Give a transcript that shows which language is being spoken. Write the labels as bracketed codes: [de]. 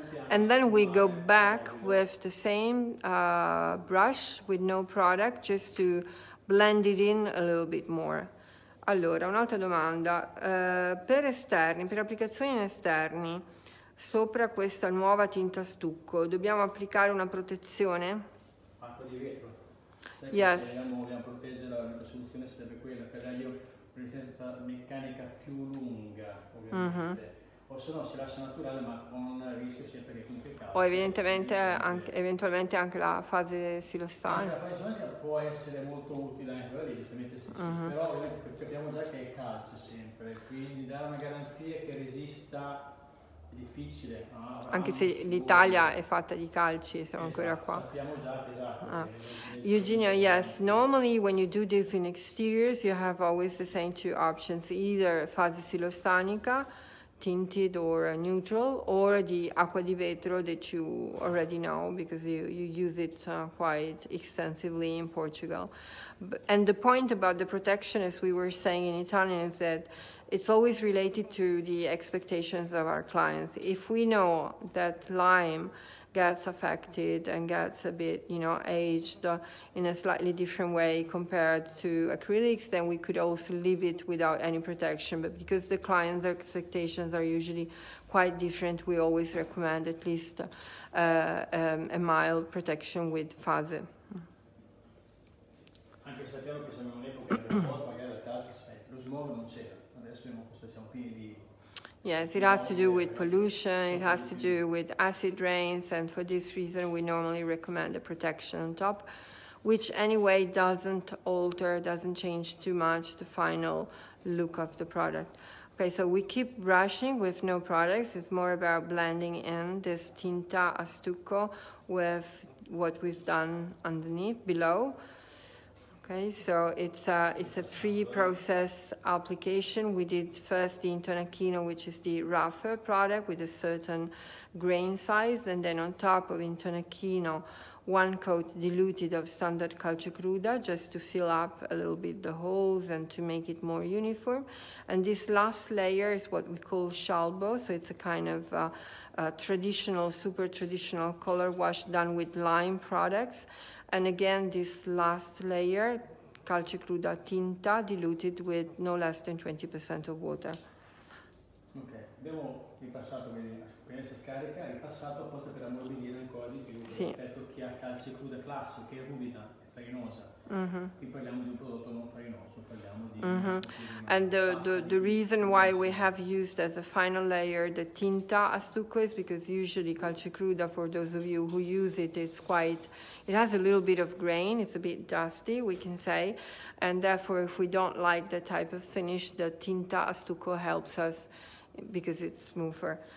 [en] And then we go back with the same brush with no product, just to blend it in a little bit more. [it] Allora, un'altra domanda. Per esterni, per applicazioni in esterni, sopra questa nuova tinta stucco, dobbiamo applicare una protezione? Acqua di vetro. Sai, [en] yes. [it] Se vogliamo proteggere, la soluzione sarebbe quella, per dargli resistenza meccanica più lunga, ovviamente. Mm-hmm. O se no si lascia naturale, ma con il rischio sempre che comunque calza. O evidentemente anche, eventualmente anche la fase silostane. Anche la fase silostane può essere molto utile anche per lì, giustamente sì. Però capiamo già che è calce sempre, quindi dare una garanzia che resista è difficile. Anche se l'Italia è fatta di calci, siamo ancora qua. Sappiamo già, esatto. Ah. [en] Eugenio, yes, normally when you do this in exteriors you have always the same two options, either fase silostanica, tinted or neutral, or the acqua di vetro that you already know because you use it quite extensively in Portugal. And the point about the protection, as we were saying in Italian, is that it's always related to the expectations of our clients. If we know that lime gets affected and gets a bit, you know, aged in a slightly different way compared to acrylics, then we could also leave it without any protection. But because the client's expectations are usually quite different, we always recommend at least a mild protection with fase. [it] Anche se sappiamo che siamo in un'epoca magari la calce, lo smog non c'era, adesso siamo pieni di. [en] Yes, it has to do with pollution, it has to do with acid rains, and for this reason we normally recommend a protection on top, which anyway doesn't alter, doesn't change too much the final look of the product. Okay, so we keep brushing with no products. It's more about blending in this tinta a stucco with what we've done underneath, below. Okay, so it's a pre-process application. We did first the Intonacchino, which is the rougher product with a certain grain size, and then on top of Intonacchino, one coat diluted of standard calce cruda just to fill up a little bit the holes and to make it more uniform. And this last layer is what we call scialbo, so it's a kind of traditional, super traditional color wash done with lime products. And again, this last layer calce cruda tinta diluted with no less than 20% of water. [it] Ok, abbiamo ripassato, quindi appena si scarica, ripassato apposta per ammorbidire ancora di più l'effetto che ha calce cruda classico, che è ruvida, è farinosa. Qui parliamo di un prodotto non farinoso, parliamo di... [en] And the reason why we have used as a final layer the tinta astucco is because usually calce cruda, for those of you who use it, it's quite... It has a little bit of grain, it's a bit dusty, we can say, and therefore if we don't like the type of finish, the tinta astucco helps us because it's smoother.